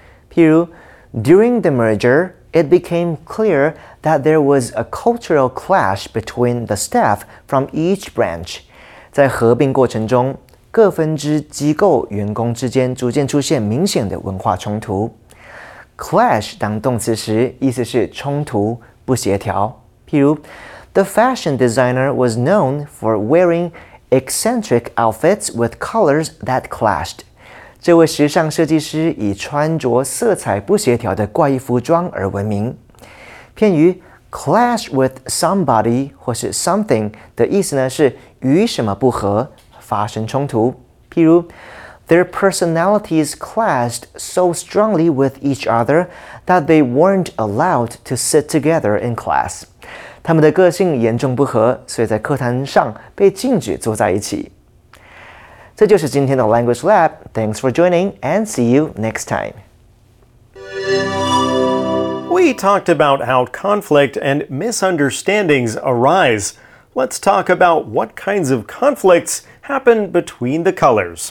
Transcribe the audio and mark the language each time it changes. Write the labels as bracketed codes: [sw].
[en] During the merger, it became clear that there was a cultural clash between the staff from each branch. [zh] 在合并过程中，各分支机构员工之间逐渐出现明显的文化冲突。 Clash 当动词时，意思是冲突、不协调。譬如 [en] ，The fashion designer was known for wearing eccentric outfits with colors that clashed. [zh] 这位时尚设计师以穿着色彩不协调的怪异服装而闻名。片语 clash with somebody 或是 something 的意思呢是。与什么不合发生冲突。譬如 [en] Their personalities clashed so strongly with each other that they weren't allowed to sit together in class. [zh] 他们的个性严重不合，所以在课堂上被禁止坐在一起。这就是今天的 Language Lab. [en] Thanks for joining and see you next time. We talked about how conflict and misunderstandings arise. Let's talk about what kinds of conflicts happen between the colors.